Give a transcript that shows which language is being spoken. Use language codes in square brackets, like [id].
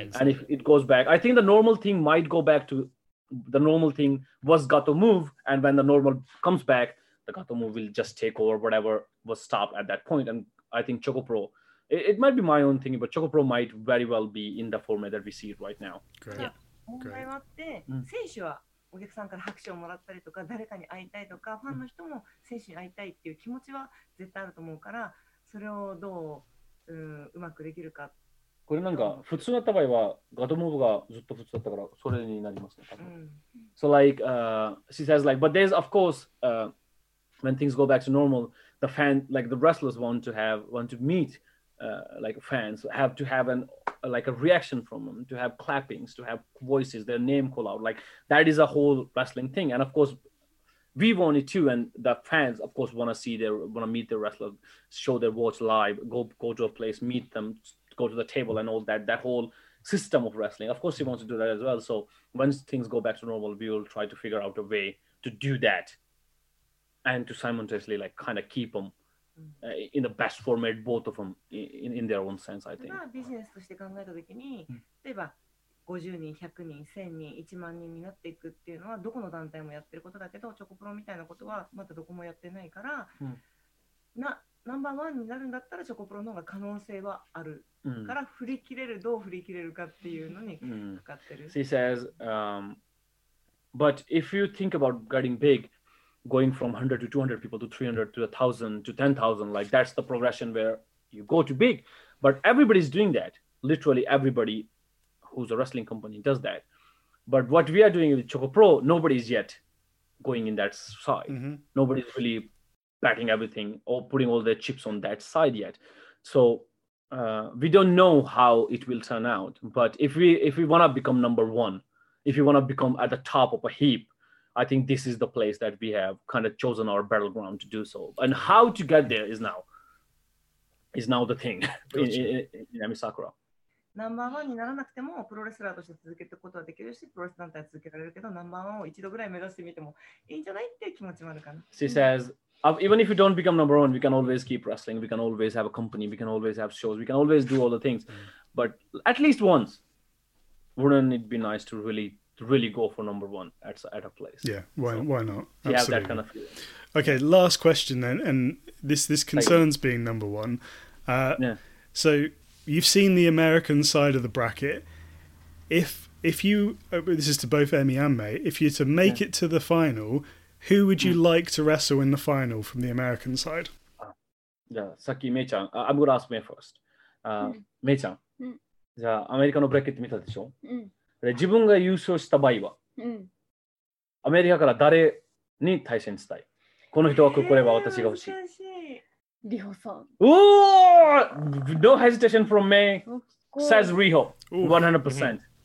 [en] And if it goes back, I think the normal thing might go back to the normal thing was Gato Move. And when the normal comes back,the Gato Move will just take over whatever was stopped at that point. And I think Choco Pro, it might be my own thing, but Choco Pro might very well be in the format that we see it right now. Great. Yeah. Great. [ja] 選手はお客さんから拍手をもらったりとか、誰かに会いたいとか、ファンの人も選手に会いたいっていう気持ちは絶対あると思うから、それをどう、うまくできるか。これなんか普通だった場合は、Gato Move がずっと普通だったから、それになりますね。多分。 [en] So like, she says like, but there's of course,when things go back to normal, the fan, like the wrestlers want to meet like fans, have to have a reaction from them, to have clappings, to have voices, their name call out. Like that is a whole wrestling thing. And of course we want it too. And the fans of course want to meet their wrestler, show their watch live, go to a place, meet them, go to the table and all that whole system of wrestling. Of course he wants to do that as well. So once things go back to normal, we will try to figure out a way to do that. And to simultaneously like kind of keep them in the best format, both of them in their own sense, I think. [ja] まあビジネスとして考えたときに、例えば50人、100人、1000人、1万人になっていくっていうのはどこの団体もやってることだけど、チョコプロみたいなことはまだどこもやってないから、ナンバーワンになるんだったらチョコプロの方が可能性はあるから、振り切れる、どう振り切れるかっていうのにかかってる。 [en] She says, but if you think about getting big,going from 100 to 200 people to 300 to 1,000 to 10,000, like that's the progression where you go to big. But everybody's doing that. Literally everybody who's a wrestling company does that. But what we are doing with Choco Pro, nobody's yet going in that side. Mm-hmm. Nobody's really batting everything or putting all their chips on that side yet. So we don't know how it will turn out. But if we want to become number one, if you want to become at the top of a heap,I think this is the place that we have kind of chosen our battleground to do so. And how to get there is now the thing in Amy Sakura. Number one [ja] にならなくてもプロレスラーとして続けていくことはできるし、プロレス団体は続けられるけど、ナンバーワンを一度ぐらい目指してみてもいいんじゃないっていう気持ちもあるかな。 [en] She says, even if we don't become number one, we can always keep wrestling, we can always have a company, we can always have shows, we can always do all the things. But at least once, wouldn't it be nice to really go for number one at a place. Yeah, why not? Absolutely. Yeah, that kind of feeling. Okay, last question then, and this concerns being number one. So you've seen the American side of the bracket. If you, this is to both Emmy and May, if you're to make it to the final, who would you like to wrestle in the final from the American side? Saki Mei-chan, I'm going to ask May first. [ja] Mei-chan, じゃあアメリカのブラケット見たでしょ？自分が優勝した場合は、アメリカから誰に対戦したい？この人が来れば私が欲しい。リホさん。 [en] おお、No hesitation from me。 course. Says Riho, 100%.